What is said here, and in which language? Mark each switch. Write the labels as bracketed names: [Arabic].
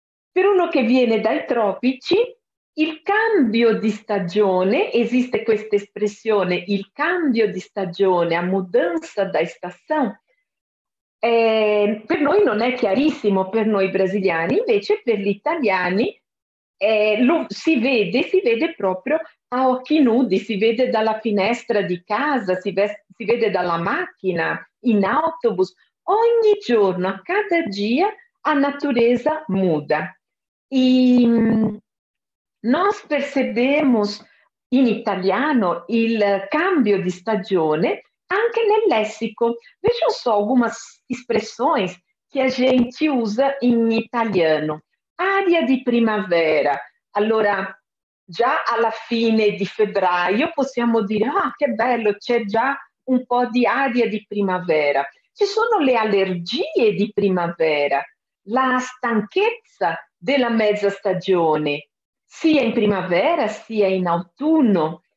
[Italian] Per uno che viene dai tropici, il cambio di stagione, esiste questa espressione, il cambio di stagione, [Portuguese] a mudança da estação, [Italian] per noi non è chiarissimo, per noi brasiliani, invece per gli italiani si vede proprio a occhi nudi, si vede dalla finestra di casa, si vede dalla macchina, in autobus. Ogni giorno, [Portuguese] a cada dia, a natureza muda. E nós percebemos [Italian] in italiano il cambio di stagione anche nel lessico. [Portuguese] Vejam só algumas expressões che a gente usa in italiano. [Italian] Aria di primavera. Allora, già alla fine di febbraio possiamo dire: ah, che bello, c'è già un po' di aria di primavera. Ci sono le allergie di primavera, la stanchezza della mezza stagione, sia in primavera sia in autunno.